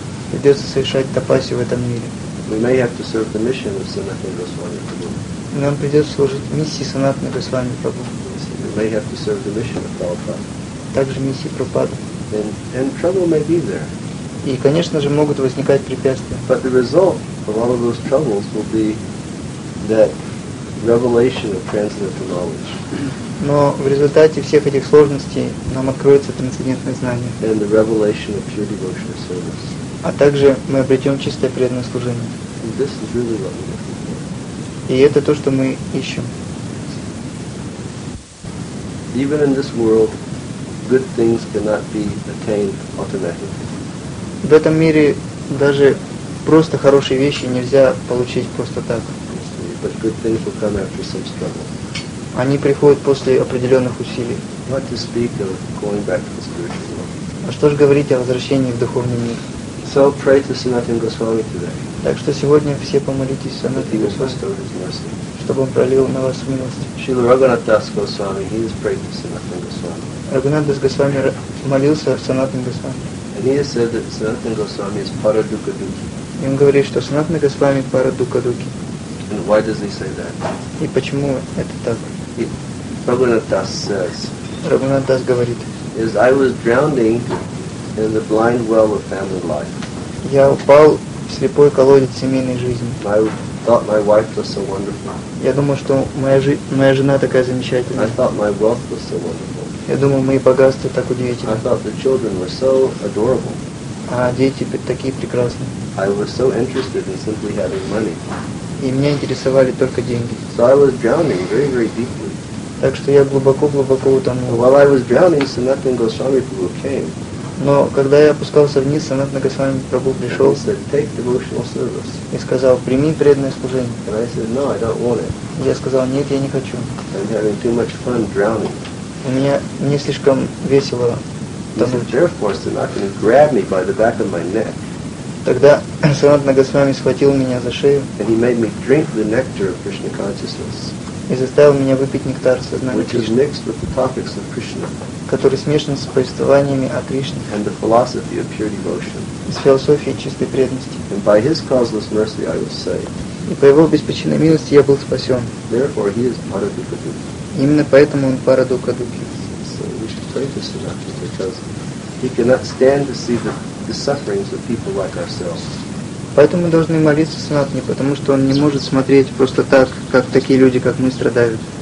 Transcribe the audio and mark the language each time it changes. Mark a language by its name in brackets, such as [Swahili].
[Russian] Придется совершать тапасю в этом мире. [English] We may have to serve the mission of Sanatana Goswami Prabhu. [Russian] Нам придется служить миссии Санатана Госвами Прабху. [English] We may have to serve the mission of Prabhupada. [Russian] Также миссии Прабхупады. [English] And trouble may be there. [Russian] И, конечно же, могут возникать препятствия. [English] But the result of all of those troubles will be that revelation of transcendental knowledge. [Russian] Но в результате всех этих сложностей нам откроется трансцендентное знание. [English] And the revelation of pure devotional service. [Russian] А также мы обретем чистое преданное служение. [English] And this is really what we look for. [Russian] И это то, что мы ищем. [English] Even in this world, good things cannot be attained automatically. [Russian] В этом мире даже просто хорошие вещи нельзя получить просто так. [English] But good things will come after some struggle. [Russian] Они приходят после определенных усилий. [English] What to speak of going back to the spiritual world. [Russian] А что же говорить о возвращении в духовный мир? [English] So pray to Sanatana Goswami today. [Russian] Так что сегодня все помолитесь Санатана Госвами, чтобы он пролил на вас милость. [English] Шрила Рагханат Дас Госвами, he has prayed to Sanatana Goswami. [Russian] Рагханат Дас Госвами молился Санатана Госвами. [English] And he has said that Sanatana Goswami is Парадукадуки. [Russian] И он говорит, что Санатана Госвами Парадукадуки. [English] And why does he say that? [Russian] И почему это так? [English] Рагханат Дас says. [Russian] Рагханат Дас говорит. [English] As I was drowning in the blind well of family life. [Russian] Я упал в слепой колодец семейной жизни. [English] I thought my wife was so wonderful. [Russian] Я думал, что моя жена такая замечательная. [English] I thought my wealth was so wonderful. [Russian] Я думал, мои богатства так удивительны. [English] I thought the children were so adorable. [Russian] А дети такие прекрасные. [English] I was so interested in simply having money. [Russian] И меня интересовали только деньги. [English] So I was drowning very, very deeply. [Russian] Так что я глубоко-глубоко утонул. [English] While I was drowning, Sanatana Goswami Prabhu came. [Russian] Но когда я опускался вниз, Sanatana Goswami Prabhu пришел. [English] He said, take devotional service. [Russian] И сказал, прими преданное служение. [English] And I said, no, I don't want it. [Russian] Я сказал, нет, я не хочу. [English] I'm having too much fun drowning. [Russian] У меня не слишком весело тонуть. [English] He said, therefore, Sanatana grabbed me by the back of my neck. [Russian] Тогда Санатана Госвами схватил меня за шею. [English] And he made me drink the nectar of Krishna consciousness. [Russian] И заставил меня выпить нектар сознания [English] Кришны. Which is mixed with the topics of Krishna. [Russian] который смешан с повествованиями о Кришне, [English] and the philosophy of pure devotion. [Russian] С философией чистой преданности. [English] And by his causeless mercy I was saved. [Russian] И по его беспричинной милости я был спасен. [English] Therefore he is Парадукадуки. [Russian] Именно поэтому он Парадукадуки. [English] So we should pray for Siddhartha, because he cannot stand to see the sufferings of people like ourselves. [Russian] Поэтому мы должны молиться Санатане, потому что он не может смотреть просто так, как такие люди, как мы, страдают.